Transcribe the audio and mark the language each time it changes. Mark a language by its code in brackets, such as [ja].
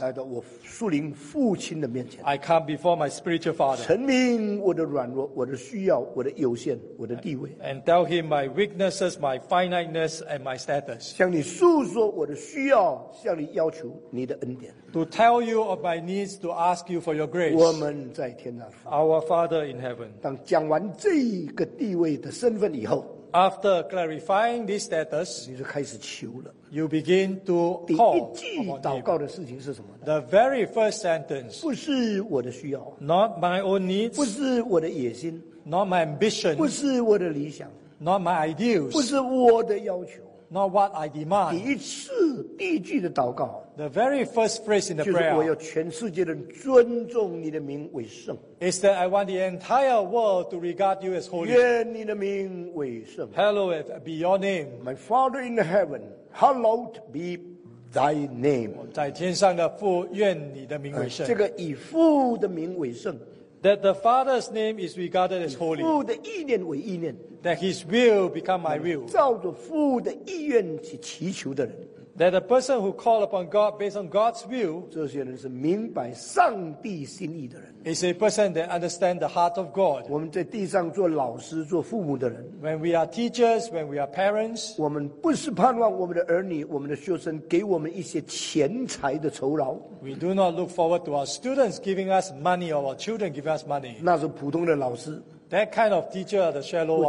[zh] 来到我属灵父亲的面前, [en] I come before my spiritual Father. [zh] 承明我的软弱, 我的需要, 我的有限, 我的地位, [en] and tell him my weaknesses, my finiteness, and my status. [zh] 向你诉说我的需要, 向你要求你的恩典, [en] to tell you of my needs, to ask you for your grace. [zh] 我们在天上, [en] Our Father in heaven. [zh] 当讲完这个地位的身份以后, [en] after clarifying this status, [zh] 你就开始求了, [en] you begin to call. [zh] 第一句祷告的事情是什么呢? [en] The very first sentence, [zh] 不是我的需要, [en] not my own needs, [zh] 不是我的野心, [en] not my ambition, [zh] 不是我的理想, [en] not my ideals, [zh] 不是我的要求, [en] not what I demand. [zh] 第一句的祷告, [en] the very first phrase in the prayer, [zh] 就是我要全世界的人尊重你的名为圣, [en] is that I want the entire world to regard you as holy. [zh] 愿你的名为圣, [en] hallowed be your name. My Father in heaven, hallowed be thy name. [zh] 在天上的父, 愿你的名为圣, 这个以父的名为圣, [en] that the Father's name is regarded as holy. [zh] 以父的意念为意念, [en] that His will become my will. [zh] 照着父的意愿去祈求的人, [en] that a person who called upon God based on God's will is a person that understands the heart of God. [zh] 我们在地上做老师, 做父母的人, [en] when we are teachers, when we are parents, [zh] 我们不是盼望我们的儿女, 我们的学生, 给我们一些钱财的酬劳, [en] we do not look forward to our students giving us money or our children giving us money. [zh] 那是普通的老师, [en] that kind of teacher are the shallow one.